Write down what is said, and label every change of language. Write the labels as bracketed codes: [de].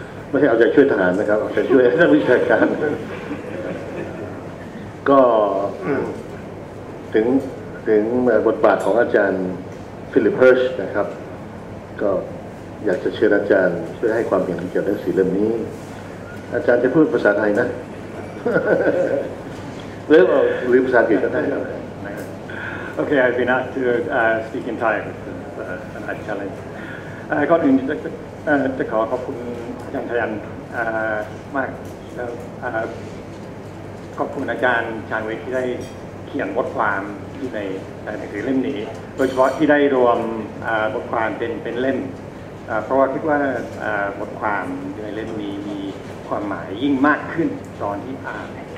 [th] ไม่ใช่เอาใจช่วยทหารนะครับเอาใจช่วยนักวิชาการก็ถึงบทบาทของอาจารย์ฟิลิปเฮิร์ชนะครับก็อยากจะเชิญอาจารย์ช่วยให้ความเห็นเกี่ยวกับหนังสือเล่มนี้อาจารย์จะพูดภาษาไทยนะหรือภาษาอังกฤษก็ได้ [en] Okay, I've been asked to speak in Thai, which is an odd challenge. [th] ก่อนอื่นจะขอขอบคุณอาจารย์ทยาลมากแล้วขอบคุณอาจารย์ชาญวิทย์ที่ได้เขียนบทความที่ในหนังสือเล่มนี้โดยเฉพาะที่ได้รวมบทความเป็นเล่มเพราะว่าคิดว่าบทความในเล่มนี้มีความหมายยิ่งมากขึ้นตอนที่อ่าน